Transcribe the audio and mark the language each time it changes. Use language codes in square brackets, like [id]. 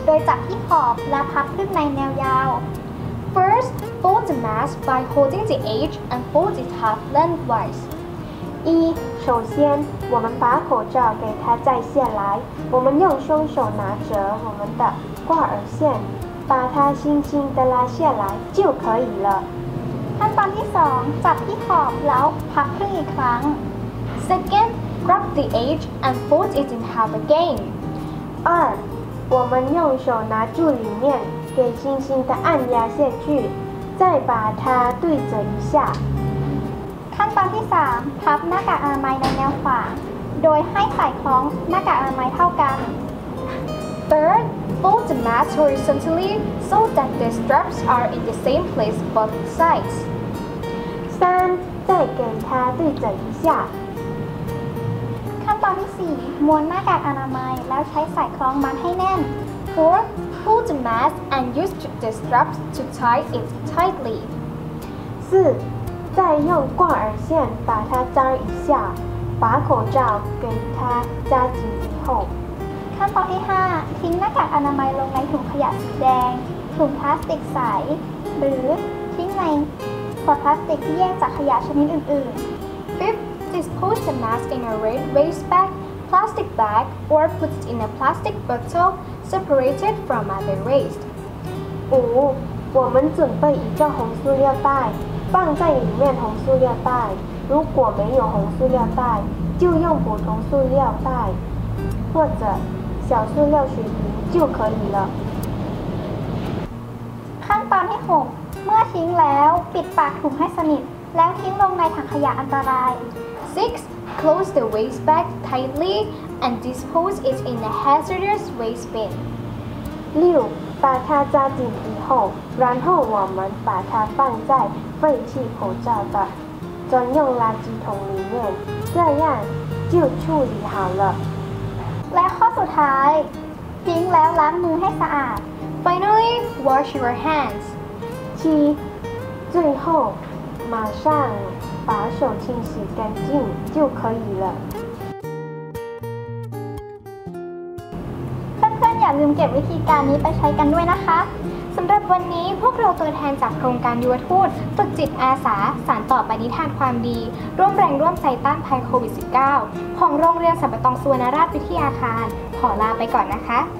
[th] จับที่ขอบและพับขึ้นในแนวยาว [en] First, fold the mask by holding the edge and fold it half lengthwise [zh] 一首先我们把口罩给它再卸来我们用双手拿着我们的挂耳线把它轻轻地拉下来就可以了 [th] ขั้นตอนที่2จับที่ขอบแล้วพับขึ้นอีกครั้ง [en] Second, grab the edge and fold it in half again [zh] 二我们用手拿住里面，给轻轻的按压下去，再把它对折一下。 [th] ขั้นตอนที่3พับหน้ากากอนามัยในแนวขวาโดยให้ไขคล้องหน้ากากอนามัยเท่ากัน [en] Third, fold the mask horizontally so that the straps are in the same place both sides. [zh] 3再给它对折一下。 [th] ตอนที่4ม้วนหน้ากากอนามัยแล้วใช้สายคล้องมัดให้แน่น [en] 4 pull the mask and use the straps to tie it tightly [zh] 4再用挂耳线把它扎一下把口罩给它扎紧以后 [th] ขั้นตอนที่5ทิ้งหน้ากากอนามัยลงในถุงขยะสีแดงถุงพลาสติกใสหรือทิ้งในขวดพลาสติกที่แยกจากขยะชนิดอื่น [en] ๆDispose the mask in a red waste bag, plastic bag, or put it in a plastic bottle separated from other waste. [zh] 五，我们准备一个红塑料袋，放在里面红塑料袋。如果没有红塑料袋，就用普通塑料袋或者小塑料水瓶就可以了。 [th] ขั้นตอนที่6เมื่อทิ้งแล้วปิดปากถุงให้สนิทแล้วทิ้งลงในถังขยะอันตราย [en] 6. Close the waste bag tightly and dispose it in a hazardous waste bin. [zh] 6. 把它扎紧以后，然后我们把它放在废弃口罩的专用垃圾桶里面，这样就处理好了。 [th] และข้อสุดท้าย ทิ้งแล้วล้างมือให้สะอาด [en] Finally, wash your hands. [zh] 7. 最后，马上把手清洗干净就可以了。 [th] เพื่อนๆอย่าลืมเก็บวิธีการนี้ไปใช้กันด้วยนะคะสำหรับวันนี้พวกเราตัวแทนจากโครงการยุวทูตฝึกจิตอาสาสานต่อปณิธานความดีร่วมแรงร่วมใจต้านภัยโควิด-19 ของโรงเรียนสัมปทานสุวรรณราชวิทยาคารขอลาไปก่อนนะคะ